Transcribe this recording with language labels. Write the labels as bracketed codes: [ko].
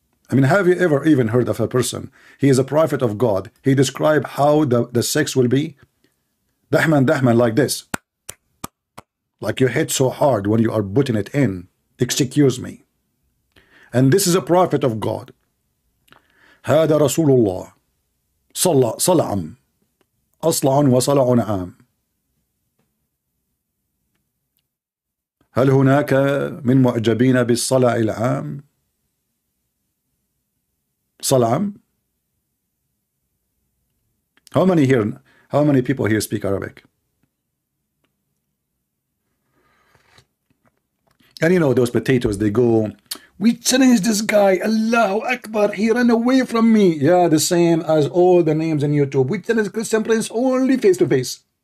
[en] I mean, have you ever even heard of a person? He is a prophet of God. He described how the sex will be. Dahman, Dahman, like this. Like you hit so hard when you are putting it in. Excuse me. And this is a prophet of God. [ar] هذا رسول الله صلى صلعم أصلع وصلع عام. هل هناك من معجبين بالصلع العام؟ صلعم. [en] How many people here speak Arabic? And you know those potatoes, they go, we challenge this guy, Allahu Akbar, he ran away from me. Yeah, the same as all the names in YouTube. We challenge Christian Prince only face to face.